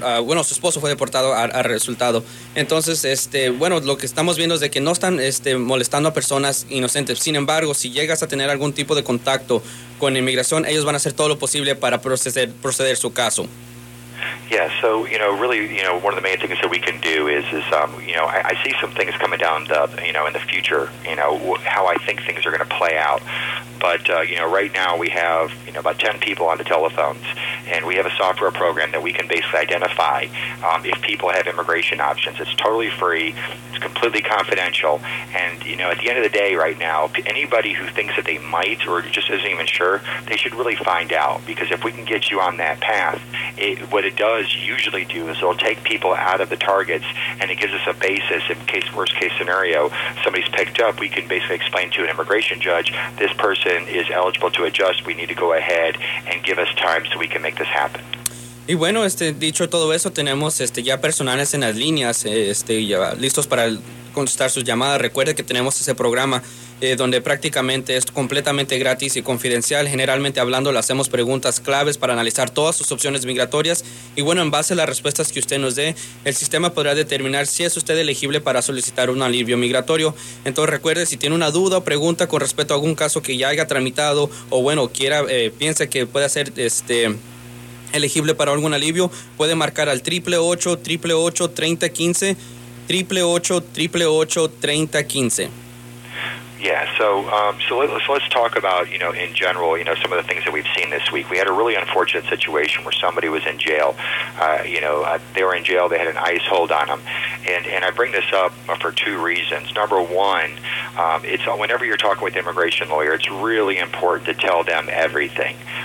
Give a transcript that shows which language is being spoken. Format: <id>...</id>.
<es>su esposo fue deportado a resultado. Entonces, lo que estamos viendo es de que no están molestando a personas inocentes. Sin embargo, si llegas a tener algún tipo de contacto con inmigración, ellos van a hacer todo lo posible para proceder su caso.</es> <en>Yeah, so, you know, really, you know, one of the main things that we can do is I see some things coming down in the future, you know, how I think things are going to play out. But, right now we have, about 10 people on the telephones, and we have a software program that we can basically identify if people have immigration options. It's totally free. It's completely confidential. And, you know, at the end of the day right now, anybody who thinks that they might or just isn't even sure, they should really find out. Because if we can get you on that path, what it does usually do is it'll take people out of the targets, and it gives us a basis in case, worst case scenario, somebody's picked up, we can basically explain to an immigration judge, this person is eligible to adjust, we need to go ahead and give us time so we can make this happen.</en> <es>Y bueno, dicho todo eso, tenemos ya personales en las líneas ya listos para contestar sus llamadas. Recuerde que tenemos ese programa donde prácticamente es completamente gratis y confidencial. Generalmente hablando, le hacemos preguntas claves para analizar todas sus opciones migratorias. Y bueno, en base a las respuestas que usted nos dé, el sistema podrá determinar si es usted elegible para solicitar un alivio migratorio. Entonces recuerde, si tiene una duda o pregunta con respecto a algún caso que ya haya tramitado o bueno, piense que puede ser elegible para algún alivio, puede marcar al 888-888-3015, 888-888-3015.</es> <en>Yeah, so let's talk about, in general, some of the things that we've seen this week. We had a really unfortunate situation where somebody was in jail. They were in jail, they had an ICE hold on them. And I bring this up for two reasons. Number one, it's whenever you're talking with an immigration lawyer, it's really important to tell them everything.</en>